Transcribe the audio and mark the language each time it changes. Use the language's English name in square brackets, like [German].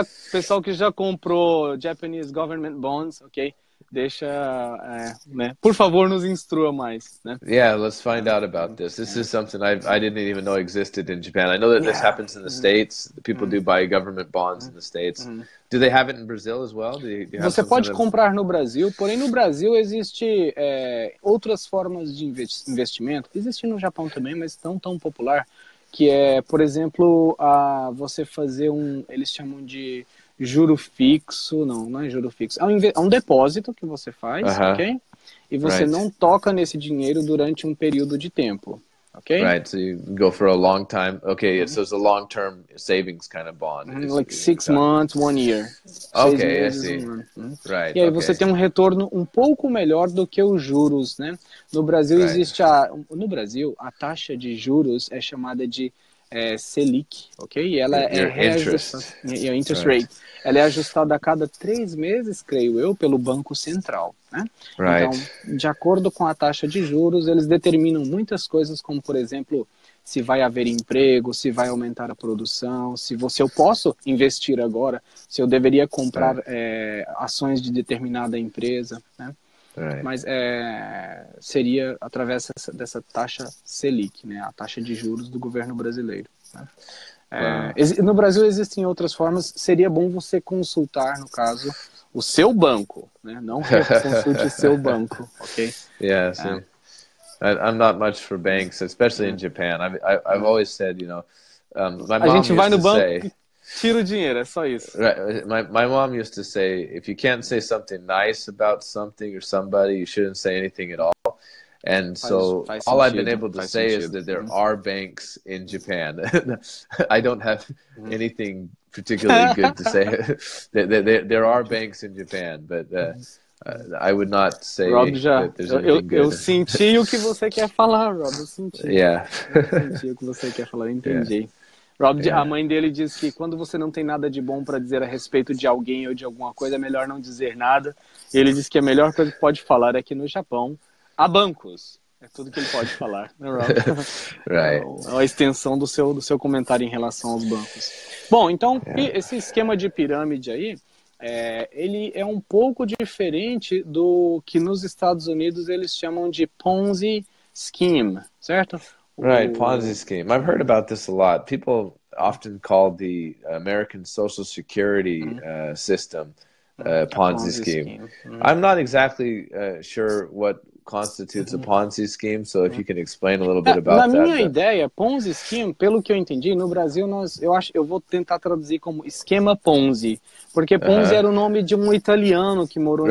[Portuguese] Pessoal que já comprou [English] Japanese government bonds, [Portuguese] ok? Deixa, né? Por favor, nos instrua mais, né? [English] Yeah, let's find out about this. This is something I didn't even know existed in Japan. I know that this happens in the States. People do buy government bonds in the States. Do they have it in Brazil as well? [Portuguese] Você pode comprar no Brasil, porém no Brasil existe outras formas de investimento. Existe no Japão também, mas não tão popular. Que é, por exemplo, você fazer eles chamam de... juro fixo, não é juro fixo, é um depósito que você faz, uh-huh. ok? E você [English] right. [Portuguese] não toca nesse dinheiro durante um período de tempo, ok? [English] Right, so you go for a long time, ok, uh-huh. so it's a long term savings kind of bond. Uh-huh. Like six months, one year. Ok, [Portuguese] meses, [English] I see. Um right, [Portuguese] e aí [English] okay. [Portuguese] você tem um retorno um pouco melhor do que os juros, né? No Brasil [English] right. [Portuguese] existe no Brasil, a taxa de juros é chamada de Selic, ok? E ela [English] interest rate. [Portuguese] Ela é ajustada a cada 3 meses, creio eu, pelo Banco Central, né? [English] Right. [Portuguese] Então, de acordo com a taxa de juros, eles determinam muitas coisas, como, por exemplo, se vai haver emprego, se vai aumentar a produção, se eu posso investir agora, se eu deveria comprar ações de determinada empresa, né? [English] Right. [Portuguese] Mas seria através dessa taxa Selic, né? A taxa de juros do governo brasileiro. Né? [English] Wow. [Portuguese] No Brasil existem outras formas. Seria bom você consultar, no caso, o seu banco, né? Não consulte seu banco, ok? [English] Yeah, see, I'm not much for banks, especially in Japan. I've always said, you know, my mom [Portuguese] a gente vai no banco [English] say... [Portuguese] tira o dinheiro, é só isso. [English] Right. My mom used to say, if you can't say something nice about something or somebody, you shouldn't say anything at all. And so all I've been able to say is that there are banks in Japan. I don't have anything particularly good to say. there are banks in Japan, but I would not say Rob, that there's anything good. [Portuguese] Eu senti o que você quer falar, Rob, eu senti. [English] Yeah. [Portuguese] Eu senti o que você quer falar, entendi. [English] Yeah. [Portuguese] Rob, a mãe dele diz que quando você não tem nada de bom para dizer a respeito de alguém ou de alguma coisa, é melhor não dizer nada. Ele diz que a melhor coisa que pode falar é que no Japão há bancos. É tudo que ele pode falar, né, Rob? [English] Right. [Portuguese] É uma extensão do seu comentário em relação aos bancos. Bom, então, esse esquema de pirâmide aí, ele é um pouco diferente do que nos Estados Unidos eles chamam de Ponzi Scheme, certo? [English] Right, Ponzi scheme. I've heard about this a lot. People often call the American Social Security system a Ponzi scheme. Mm-hmm. I'm not exactly sure what constitutes a Ponzi scheme, so if you can explain a little bit about that. [Portuguese] Na minha ideia, Ponzi scheme, pelo que eu entendi, no Brasil eu vou tentar traduzir como esquema Ponzi, porque Ponzi era o nome de um italiano que morou em